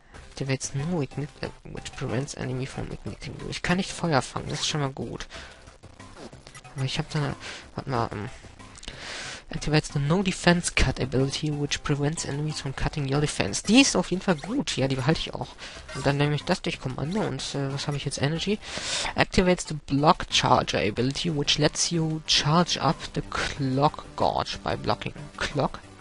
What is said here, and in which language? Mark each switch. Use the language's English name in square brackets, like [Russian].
[English] Activates No Ignite, which prevents enemy from igniting. [German] Ich kann nicht Feuer fangen. Das ist schon mal gut. Aber ich habe da... Warte mal, [English] Activates the No Defense Cut Ability, which prevents enemies from cutting your defense. [German] Die ist auf jeden Fall gut. Ja, die behalte ich auch. Und dann nehme ich das durch Kommando. Und was habe ich jetzt? Energy. [English] Activates the Block Charger Ability, which lets you charge up the Clock Gorge by blocking Clock.